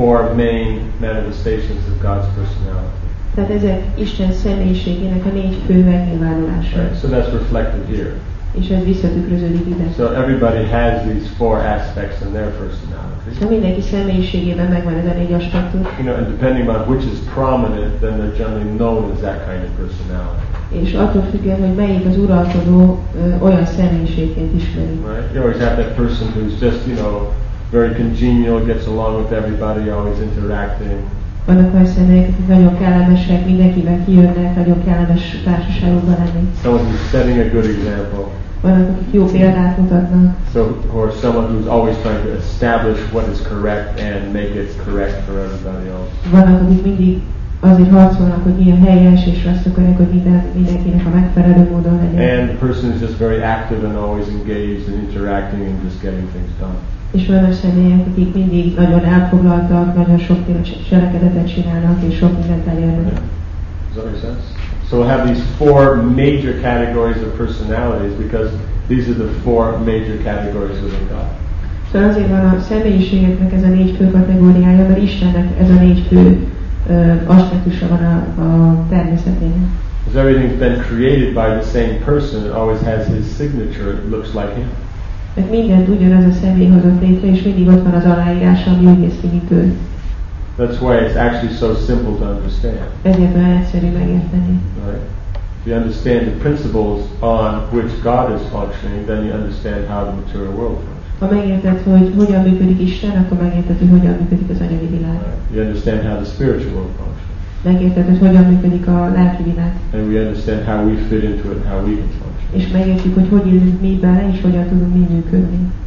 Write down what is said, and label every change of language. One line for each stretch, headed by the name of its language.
English: Manifestations of God's personality.
Hungarian: Tehát ezek Isten személyiségének a négy fő megnyilvánulása.
English: Right. So that's reflected here.
Hungarian: És ez visszatükröződik ide.
English: So everybody has these four aspects in their personality.
Hungarian: So mindenki személyiségében megvan ez a négy aspektus.
English: You know, and depending on which is prominent, then they're generally known as that kind of personality.
Hungarian: És attól függően, hogy melyik az uralkodó, olyan személyiségként ismeri.
English: Right. You always have that person who's just, you know, very congenial, gets along with everybody, always interacting.
Hungarian: Vannak olyan személyek, akik nagyon kellemesek, mindenkivel kijönnek, nagyon kellemes társaságokban lenni.
English: Someone who's setting a good example.
Hungarian: Vannak, akik jó példát mutatnak.
English: So, or someone who's always trying to establish what is correct and make it correct for everybody else.
Hungarian: Vannak, akik mindig azért harcolnak, hogy mi a helyes, és azt akarják, hogy mindenkinek a megfelelő módon legyen.
English: And the person is just very active and always engaged and interacting and just getting things done.
Hungarian: És olyan személyek, akik mindig nagyon elfoglaltak, nagyon sok cselekedetet csinálnak, és sok mindent elérnek.
English: Yeah. Does that make sense? So we have these four major categories of personalities, because these are the four major categories within God.
Hungarian: So azért van a személyiségeknek ez a négy fő kategóriája, mert Istennek ez a négy fő aspektusa van a természetén.
English: Because everything's been created by the same person, it always has his signature, it looks like him.
Hungarian: Mert mindent ugyanaz a személy hozott létre, és mindig ott van az aláírása, ami úgy néz ki, mint ő.
English: That's why it's actually so simple to understand.
Hungarian: Ezért olyan egyszerű megérteni.
English: Right? If you understand the principles on which God is functioning, then you understand how the material world functions.
Hungarian: Ha megérted, hogy hogyan működik Isten, akkor megérted, hogy hogyan működik az anyagi világ.
English: Right? You understand how the spiritual world functions.
Hungarian: Megérted, hogy hogyan működik a lelki világ.
English: And we understand how we fit into it, how we can function.
Hungarian: És megértjük, hogy hogy élünk mi bele, és hogyan tudunk mi működni.